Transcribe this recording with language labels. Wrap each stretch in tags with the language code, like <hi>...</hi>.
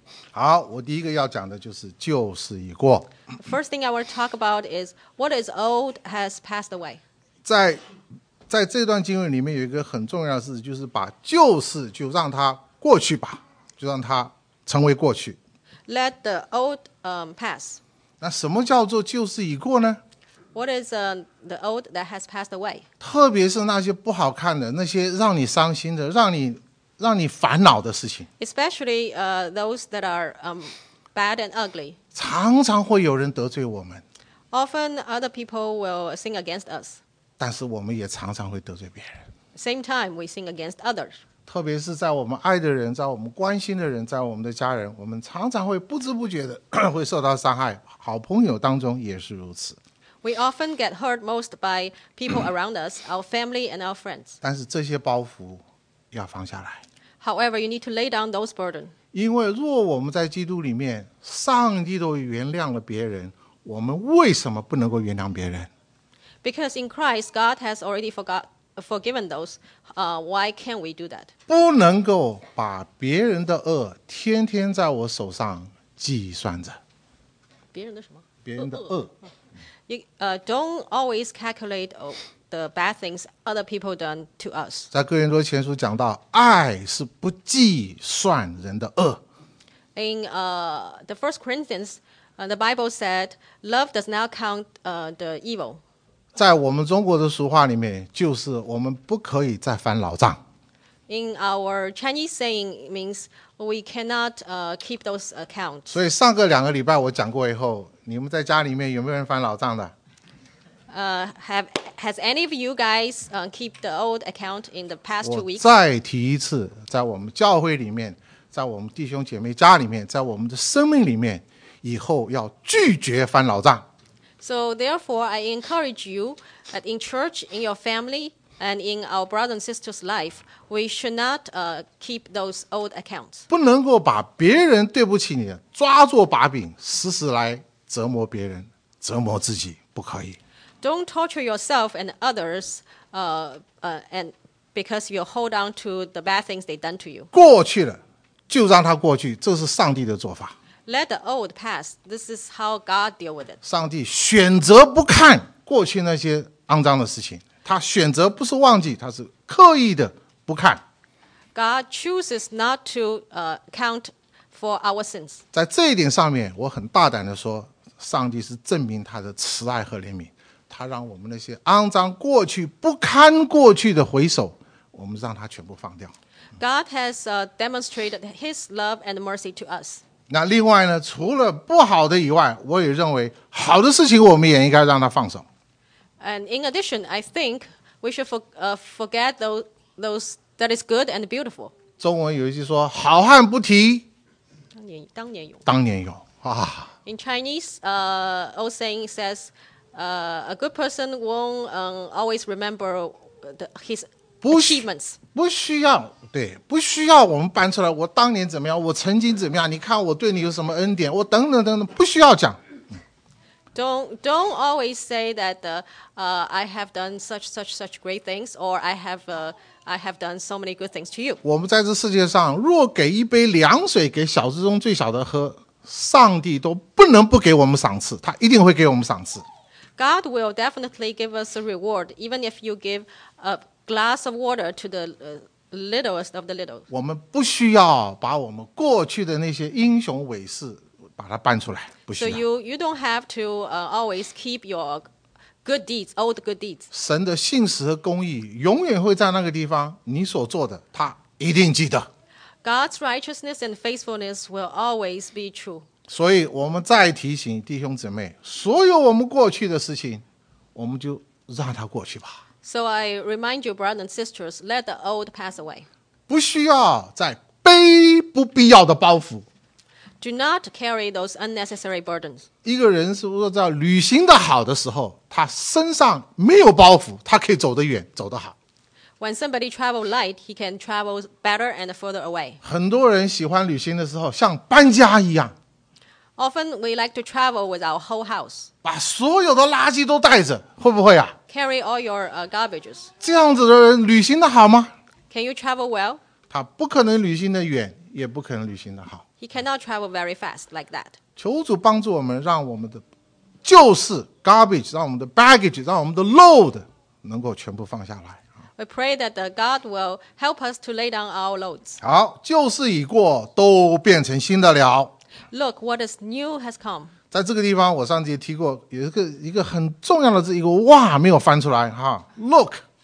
<zh>好，我第一个要讲的就是旧事已过。</zh> <en>First thing I want to talk about is what is old has passed away.</en> <zh>在这段经文里面有一个很重要的事，就是把旧事就让它过去吧，就让它成为过去。</zh> <en>Let the old pass.</en> <zh>那什么叫做旧事已过呢？</zh> <en>What is the old that has passed away?</en> <zh>特别是那些不好看的，那些让你伤心的，让你烦恼的事情。</zh> <en>Especially those that are bad and ugly.</en> <zh>常常会有人得罪我们。</zh> <en>Often other people will sin against us.</en> <zh>但是我们也常常会得罪别人。</zh> <en>Same time we sin against others.</en> <zh>特别是在我们爱的人，在我们关心的人，在我们的家人，我们常常会不知不觉的会受到伤害。好朋友当中也是如此。</zh> <en>We often get hurt most by people around us, our family and our friends.</en> <zh>但是这些包袱要放下来。</zh> <en>However, you need to lay down those burdens.</en> <zh>因为若我们在基督里面，上帝都原谅了别人，我们为什么不能够原谅别人？</zh> <en>Because in Christ, God has already forgiven those. Why can't we do that?</en> <zh>不能够把别人的恶天天在我手上计算着。别人的什么？别人的恶。</zh> <en>You don't always calculate the bad things other people done to us.</en> <zh>在哥林多前书讲到，爱是不计算人的恶。</zh> <en>In the First Corinthians, the Bible said, love does not count the evil.</en> <zh>在我们中国的俗话里面，就是我们不可以再翻老账。</zh> <en>In our Chinese saying means we cannot keep those accounts.</en> <zh>所以上个两个礼拜我讲过以后，你们在家里面有没有人翻老账的？</zh> <en>Has any of you guys keep the old account in the past 2 weeks?</en> <zh>我再提一次，在我们教会里面，在我们弟兄姐妹家里面，在我们的生命里面，以后要拒绝翻老账。</zh> <en>So therefore, I encourage you that in church, in your family. And in our brother and sister's life, we should not keep those old accounts.</en> <zh>不能够把别人对不起你抓住把柄，时时来折磨别人，折磨自己，不可以。</zh> <en>Don't torture yourself and others, and because you hold on to the bad things they've done to you.</en> <zh>过去了，就让它过去，这是上帝的做法。</zh> <en>Let the old pass. This is how God deal with it.</en> <zh>上帝选择不看过去那些肮脏的事情。他选择不是忘记，他是刻意的不看。</zh> <en>God chooses not to count for our sins.</en> <zh>在这一点上面，我很大胆的说，上帝是证明他的慈爱和怜悯，他让我们那些肮脏过去、不堪过去的回首，我们让他全部放掉。</zh> <en>God has demonstrated His love and mercy to us.</en> <zh>那另外呢，除了不好的以外，我也认为好的事情我们也应该让它放手。</zh> <en>And in addition, I think we should forget those that is good and beautiful.</en> <zh>中文有一句说，好汉不提当年勇、啊、</zh> <en>In Chinese, old saying says, a good person won't always remember his achievements.</en> <zh>不需要。对，不需要我们搬出来我当年怎么样，我曾经怎么样，你看我对你有什么恩典，我等等等等，不需要讲。</zh> <en>Don't always say that I have done such great things, or I have done so many good things to you.</en> <zh>我们在这世界上若给一杯凉水给小子中最小的喝，上帝都不能不给我们赏赐，他一定会给我们赏赐。</zh> <en>God will definitely give us a reward, even if you give a glass of water to the littlest of the little.</en> <zh>我们不需要把我们过去的那些英雄伟士把它搬出来，不需要。</zh> <en>So you don't have to always keep your good deeds, old good deeds.</en> <zh>神的信实和公义永远会在那个地方，你所做的他一定记得。</zh> <en>God's righteousness and faithfulness will always be true.</en> <zh>所以我们再提醒弟兄姊妹，所有我们过去的事情我们就让它过去吧。</zh> <en>So I remind you, brothers and sisters, let the old pass away.</en> <zh>不需要再背不必要的包袱。</zh> <en>Do not carry those unnecessary burdens.</en> <zh>一个人是说在旅行的好的时候，他身上没有包袱，他可以走得远，走得好。</zh> <en>When somebody travels light, he can travel better and further away.</en> <zh>很多人喜欢旅行的时候，像搬家一样。</zh> <en>Often we like to travel with our whole house.</en> <zh>把所有的垃圾都带着，会不会啊？</zh> <en>Carry all your garbages.</en> <zh>这样子的人旅行的好吗？</zh> <en>Can you travel well?</en> <zh>他不可能旅行的远，也不可能旅行的好。</zh> <en>He cannot travel very fast like that.</en> <zh>求主帮助我们，让我们的旧事</zh> <en>garbage，</en> <zh>让我们的</zh> <en>baggage，</en> <zh>让我们的</zh> <en>load</en> <zh>能够全部放下来。</zh> <en>We pray that God will help us to lay down our loads.</en> <zh>好，旧事已过，都变成新的了。</zh> <en>Look, what is new has come.</en> <zh>在这个地方我上次也提过有一个很重要的字，一个哇没有翻出来哈</zh> <en>look。</en>